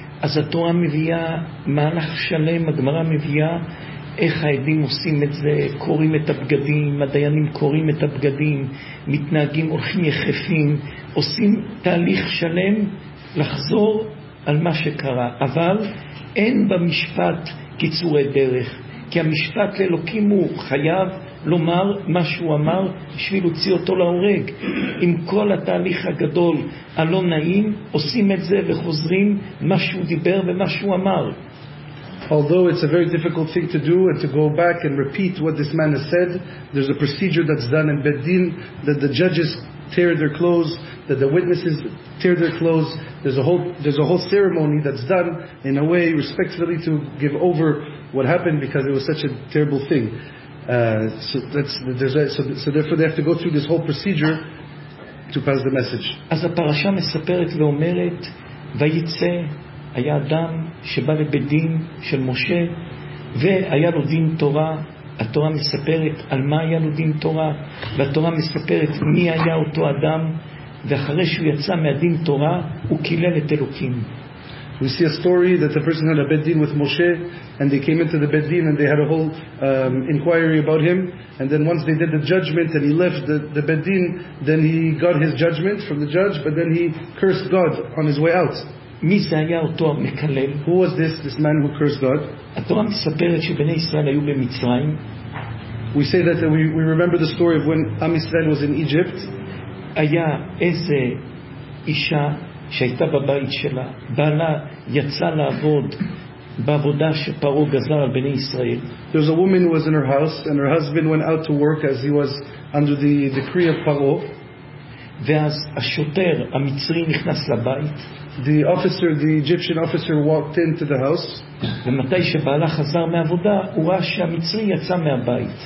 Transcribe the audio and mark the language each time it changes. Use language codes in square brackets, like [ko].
[he] אז התורה מביאה, מהלך שלם, הגמרא מביאה, איך העדים עושים את זה, קוראים את הבגדים, הדיינים קוראים את הבגדים, מתנהגים, הולכים יחפים, עושים תהליך שלם לחזור על מה שקרה. אבל אין במשפט קיצורי דרך, כי המשפט לאלוקים הוא חייב לומר מה שהוא אמר בשביל הוציא אותו להורג. עם כל התהליך הגדול הלא נעים, עושים את זה וחוזרים מה שהוא דיבר ומה שהוא אמר. [en] Although it's a very difficult thing to do and to go back and repeat what this man has said, there's a procedure that's done in Bet Din, that the judges tear their clothes, that the witnesses tear their clothes. There's a whole ceremony that's done in a way respectfully to give over what happened, because it was such a terrible thing. So therefore they have to go through this whole procedure to pass the message. As the parasha [he] מספרת ואומרת, ויצא, היה אדם שבא לבית דין של משה והיה לו דין תורה. התורה מספרת על מה היה לו דין תורה, והתורה מספרת מי היה אותו אדם. ואחרי שהוא יצא מהדין תורה, הוא קילל את אלוקים. [en] We see a story that a person had a bed din with Moshe, and they came into the bed din and they had a whole inquiry about him. And then once they did the judgment and he left the bed din, then he got his judgment from the judge, but then he cursed God on his way out. [he] מי זה היה אותו המקלל? [en] Who was this man who cursed God? [he] התורה מספרת שבני ישראל היו במצרים. [en] We say that we remember the story of when Am Yisrael was in Egypt. [he] היה איזה אישה שהייתה בבית שלה, בעלה יצא לעבוד בעבודה שפרו גזר על בני ישראל. [en] There was a woman who was in her house and her husband went out to work as he was under the decree of Paro. [he] ואז השוטר המצרי נכנס לבית. [en] The officer, the Egyptian officer, walked into the house. [he] ומתי שבעלה חזר מעבודה, הוא ראה שהמצרי יצא מהבית.